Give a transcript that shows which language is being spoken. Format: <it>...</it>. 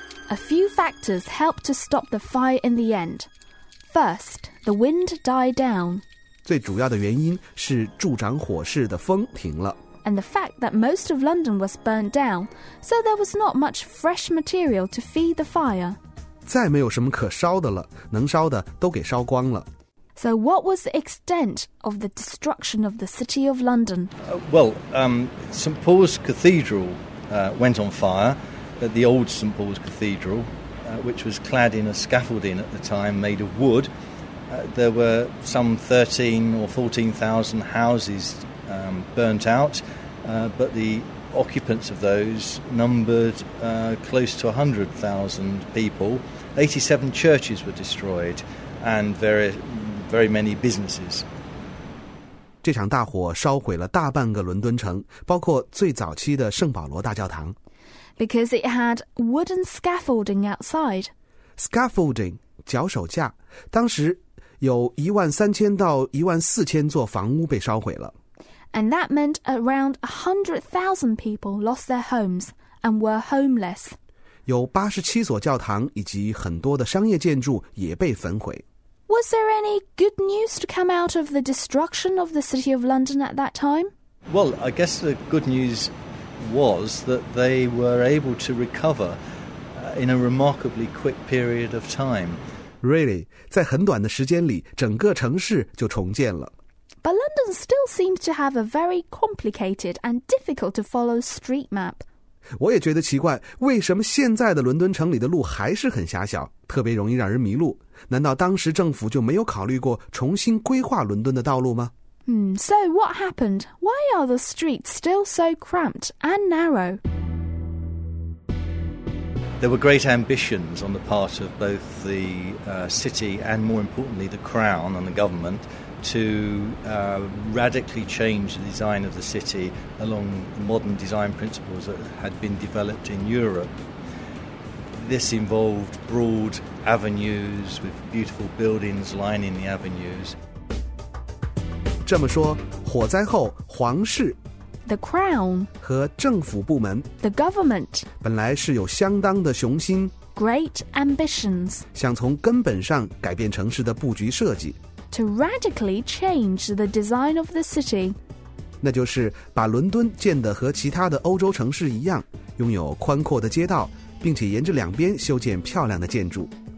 <en>A few factors helped to stop the fire in the end. First, the wind died down.</en> <zh>最主要的原因是助长火势的风停了。</zh> <en>And the fact that most of London was burnt down, so there was not much fresh material to feed the fire.</en> <zh>再没有什么可烧的了，能烧的都给烧光了。</zh> <en>So what was the extent of the destruction of the city of London? St. Paul's Cathedral went on fire, the old St. Paul's Cathedral, which was clad in a scaffolding at the time made of wood. There were some 13 or 14,000 houses burnt out, but the occupants of those numbered close to 100,000 people. 87 churches were destroyed, and very, very many businesses.</en> <zh>这场大火烧毁了大半个伦敦城，包括最早期的圣保罗大教堂。</zh> <en>Because it had wooden scaffolding outside.</en> <zh>Scaffolding, 脚手架，当时有13,000 to 14,000座房屋被烧毁了。</zh> <en>And that meant around 100,000 people lost their homes and were homeless.</en> <zh>有87座教堂以及很多的商业建筑也被焚毁。</zh> <en>Was there any good news to come out of the destruction of the city of London at that time? Well, I guess the good news was that they were able to recover in a remarkably quick period of time.</en> <zh>Really, 在很短的时间里，整个城市就重建了。</zh> <en>But London still seems to have a very complicated and difficult to follow street map.</en> <zh>我也觉得奇怪，为什么现在的伦敦城里的路还是很狭小，特别容易让人迷路？难道当时政府就没有考虑过重新规划伦敦的道路吗？</zh> <en>So what happened? Why are the streets still so cramped and narrow? There were great ambitions on the part of both the city and more importantly the crown and the government to radically change the design of the city along the modern design principles that had been developed in Europe. This involved broad avenues with beautiful buildings lining the avenues.</en> <zh>这么说，火灾后皇室</zh> <en>the crown</en> <zh>和政府部门</zh> <en>the government</en> <zh>本来是有相当的雄心</zh> <en>great ambitions</en> <zh>想从根本上改变城市的布局设计</zh> <en>to radically change the design of the city</en> <zh>那就是把伦敦建得和其他的欧洲城市一样拥有宽阔的街道并且沿着两边修建漂亮的建筑</zh>